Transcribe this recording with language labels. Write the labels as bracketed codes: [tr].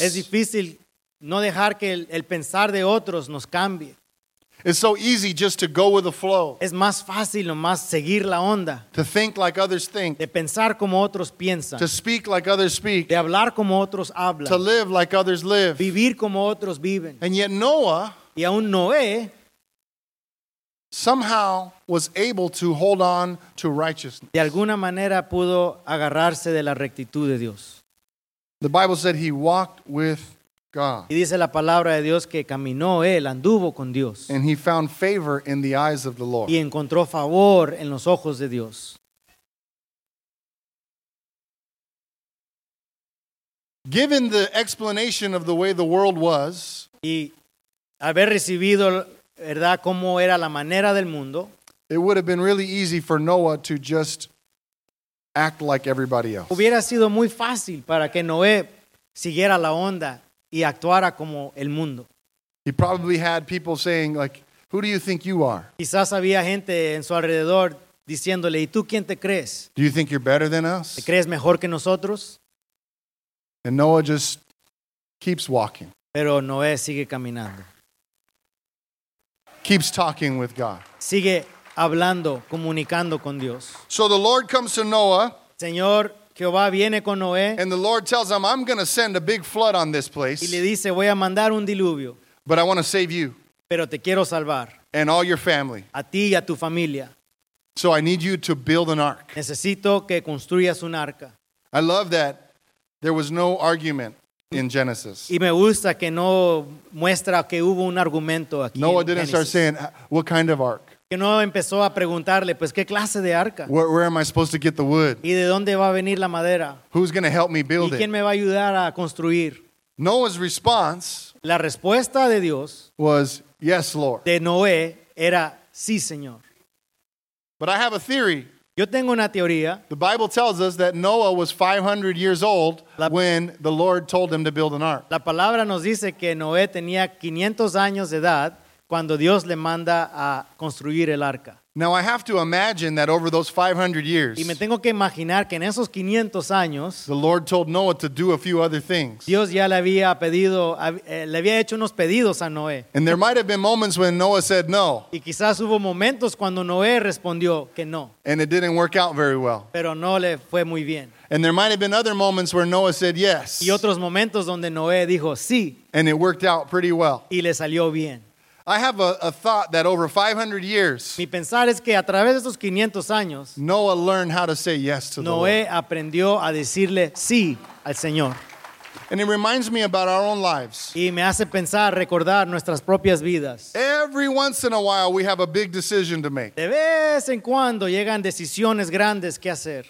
[es] Es difícil no dejar que el pensar de otros nos cambie. [en] It's so easy just to go with the flow. [es] Es más fácil nomás seguir la onda. [en] To think like others think. [es] De pensar como otros piensan. [en] To speak like others speak. [es] De hablar como otros hablan. [en] To live like others live. [es] Vivir como otros viven. [en] And yet Noah, [es] y aún Noé, [en] somehow was able to hold on to righteousness. [es] De alguna manera pudo agarrarse de la rectitud de Dios. [en] The Bible said he walked with God. [es] Y dice la palabra de Dios que caminó él, anduvo con Dios. [en] And he found favor in the eyes of the Lord. [es] Y encontró favor en los ojos de Dios. [en] Given the explanation of the way the world was, [es] y haber recibido, ¿verdad?, cómo era la manera del mundo, [en] it would have been really easy for Noah to just act like everybody else. [es] Hubiera sido muy fácil para que Noé siguiera la onda y actuara como el mundo. [en] He probably had people saying, like, who do you think you are? [es] Quizás había gente en su alrededor diciéndole, ¿y tú quién te crees? [en] Do you think you're better than us? [es] ¿Te crees mejor que nosotros? [en] And Noah just keeps walking. [es] Pero Noé sigue caminando. [en] Keeps talking with God. [es] Sigue hablando, comunicando con Dios. [en] So the Lord comes to Noah. [es] Señor, Jehová viene con Noé. [en] And the Lord tells him, I'm going to send a big flood on this place. [es] Y le dice, voy a mandar un diluvio. [en] But I want to save you. [es] Pero te quiero salvar. [en] And all your family. [es] A ti y a tu familia. [en] So I need you to build an ark. [es] Necesito que construyas un arca. [en] I love that there was no argument in Genesis. [es] Y me gusta que no muestra que hubo un argumento aquí. [en] Noah didn't start saying, what kind of ark? [es] Que no empezó a preguntarle, pues, ¿qué clase de arca? [en] Where am I supposed to get the wood? [es] ¿Y de dónde va a venir la madera? [en] Who's going to help me build it? [es] ¿Y quién me va a ayudar a construir? [en] Noah's response, [es] la respuesta de Dios, [en] was, yes, Lord. [es] De Noé era, sí, Señor. [en] But I have a theory. [es] Yo tengo una teoría. [en] The Bible tells us that Noah was 500 years old when the Lord told him to build an ark. [es] La palabra nos dice que Noé tenía 500 años de edad cuando Dios le manda a construir el arca. [en] Now I have to imagine that over those 500 years, [es] y me tengo que imaginar que en esos 500 años, [en] the Lord told Noah to do a few other things. [es] Dios ya le había hecho unos pedidos a Noé. [en] And there might have been moments when Noah said no. [es] Y quizás hubo momentos cuando Noé respondió que no. [en] And it didn't work out very well. [es] Pero no le fue muy bien. [en] And there might have been other moments where Noah said yes. [es] Y otros momentos donde Noé dijo sí. [en] And it worked out pretty well. [es] Y le salió bien. [en] I have a thought that over 500 years, [es] mi pensar es que a través de esos 500 años, [en] Noah learned how to say yes to [es] Noé [en] the Lord. [es] Noé aprendió a decirle sí al Señor. [en] And it reminds me about our own lives. [es] Y me hace pensar, recordar nuestras propias vidas. [en] Every once in a while, we have a big decision to make. [es] De vez en cuando llegan decisiones grandes que hacer.